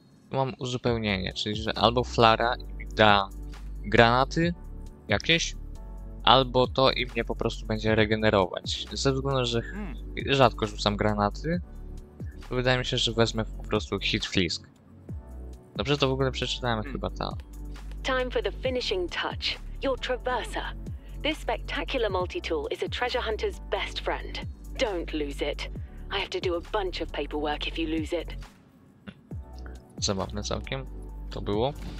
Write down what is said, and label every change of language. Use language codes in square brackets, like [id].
[pl] Mam uzupełnienie, czyli że albo flara mi da granaty jakieś, albo to i mnie po prostu będzie regenerować. Ze względu, że rzadko rzucam granaty, to wydaje mi się, że wezmę po prostu hit flisk. Dobrze to w ogóle przeczytałem, chyba ta. [en] Time for the finishing touch. Your traverser. This spectacular multi-tool is a treasure hunter's best friend. Don't lose it. I have to do a bunch of paperwork if you lose it. [pl] Zabawne całkiem to było.